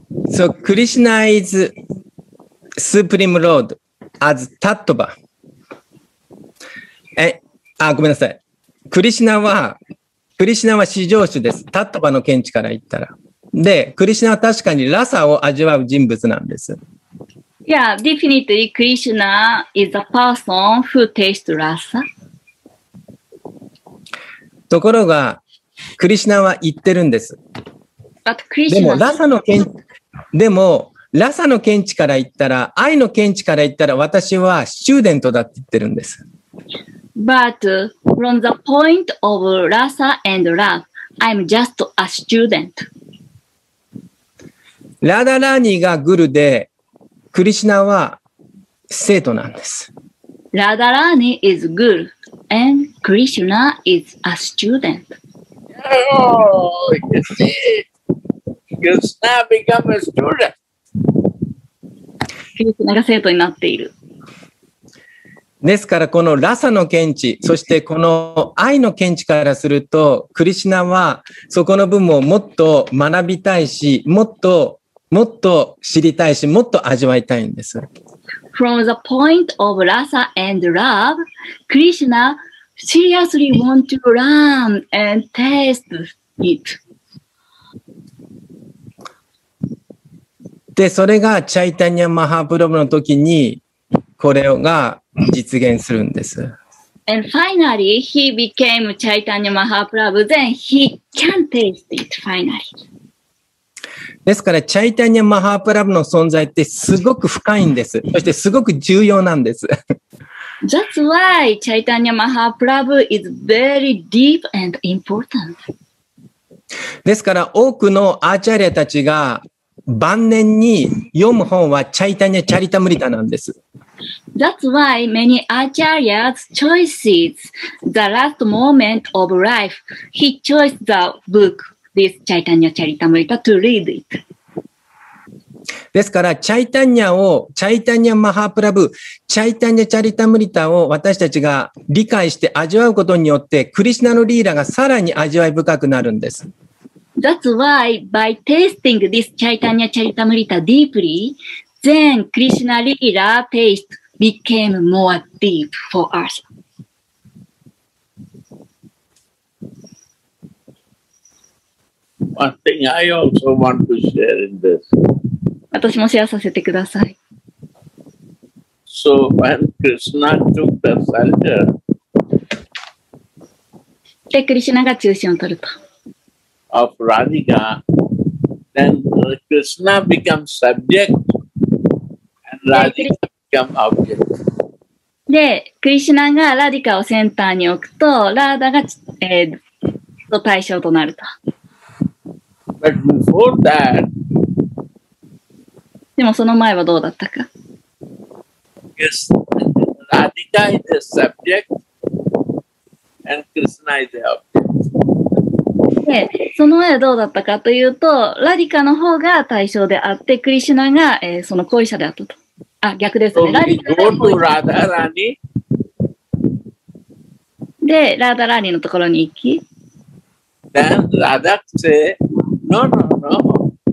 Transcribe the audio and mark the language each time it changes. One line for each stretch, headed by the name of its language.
English: So, Krishna is Supreme Lord as Tattva.
Japanese: ごめんなさい。クリシナは至上主です。タットバの見地から言ったら。で、クリシナは確かにラサを味わう人物なんです。
English: Yeah, definitely Krishna is a person who tastes rasa.
Japanese: ところが、クリシナは言ってるんです。
English: But Krishna...
Japanese: でも、ラサの見地、でも、ラサの見地から言ったら、愛の見地から言ったら、私はスチューデントだって言ってるんです。
English: But from the point of rasa and love, I'm just a student.
Japanese: ラダラーニがグルで、クリシナは生徒なんです。
English: ラダラーニ is グル and クリシナ is a student. Oh, you see, Krishna become a student.
Japanese: クリシナが生徒になっている。ですからこのラサの見地、そしてこの愛の見地からすると、クリシナはそこの部分をもっと学びたいし、もっと知りたいし、もっと味わいたいんです。
English: From the point of rasa and love, Krishna seriously want to learn and taste it.
Japanese: で、それがチャイタニア・マハプロブの時に、これが実現するんです。
English: And finally, he became Chaitanya Mahaprabhu. Then he can taste it finally.
Japanese: ですから、Chaitanya Mahaprabhu の存在ってすごく深いんです。そしてすごく重要なんです。
English: That's why Chaitanya Mahaprabhu is very deep and important.
Japanese: ですから、多くのアーチャリアたちが晩年に読む本はチャイタニャ・チャリタムリタなんです。
English: That's why many Acharya's choices, the last moment of life, he chose the book, this Chaitanya Charitamrita, to read it.
Japanese: ですから、チャイタニャ・マハプラブ、チャイタニャ・チャリタムリタを私たちが理解して味わうことによって、クリシナのリーラがさらに味わい深くなるんです。
English: That's why by tasting this Chaitanya Charitamrita deeply, then Krishna Lila taste became more deep for us. One thing I also want to share in this.
Japanese: 私もシェアさせてください。
English: So when Krishna took the center,
Japanese: で、クリシナが中心を取ると。
English: Of Radhika, and Krishna becomes subject and Radhika becomes object.
Japanese: で、クリシュナがラディカをセンターに置くと、ラーダが、対象となると。
English: But before that,
Japanese: でもその前はどうだったか。
English: Yes, Radhika is the subject and Krishna is the object.
Japanese: で、その前はどうだったかというと、ラディカの方が対象であって、クリシュナが、その行為者であったと。あ、逆ですね。ラダラーニ。で、ラダラーニのところに行き。
English: Then Radha say, no, no, no.